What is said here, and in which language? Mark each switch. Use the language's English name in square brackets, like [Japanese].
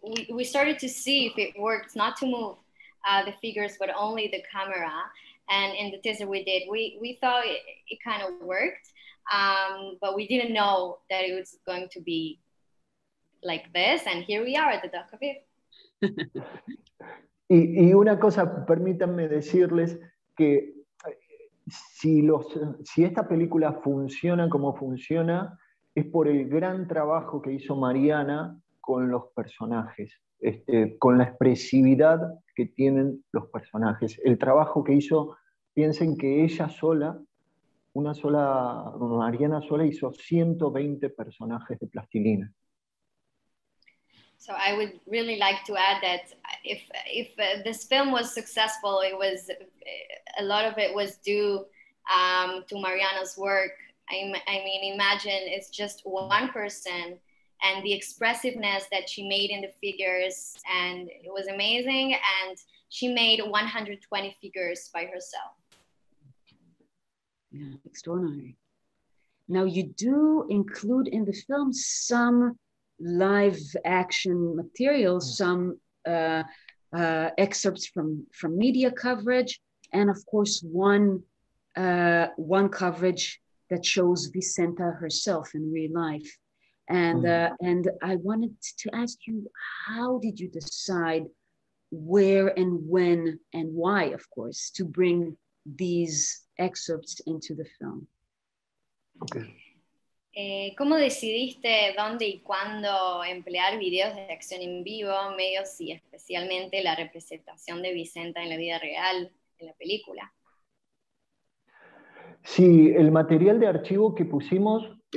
[English] We started to see if it works not to move the figures, but only the camera. And in the teaser we did, we thought it kind of worked, but we didn't know that it was going to be like this, and here we are at the dock of it. [Spanish] Y una cosa, permítanme decirles que si esta película funciona como funciona, es por el gran trabajo que hizo Mariana con los personajes, con la expresividad que tienen los personajes. El trabajo que hizo, piensen que ella sola, una sola, Mariana sola hizo 120 personajes de plastilina. [English] So I would really like to add that if this film was successful, it was a lot of it was due to Mariana's work. I mean, imagine it's just one person and the expressiveness that she made in the figures, and it was amazing, and she made 120 figures by herself. Yeah, extraordinary. Now, you do include in the film some live action materials, some excerpts from media coverage, and of course, one coverage that shows Vicenta herself in real life. And I wanted to ask you, how did you decide where and when and why, of course, to bring these excerpts into the film? Okay. [Spanish] ¿Cómo decidiste dónde y cuándo emplear videos de acción en vivo, medios y especialmente la representación de Vicenta en la vida real, en la película? Sí, el material de archivo que pusimos...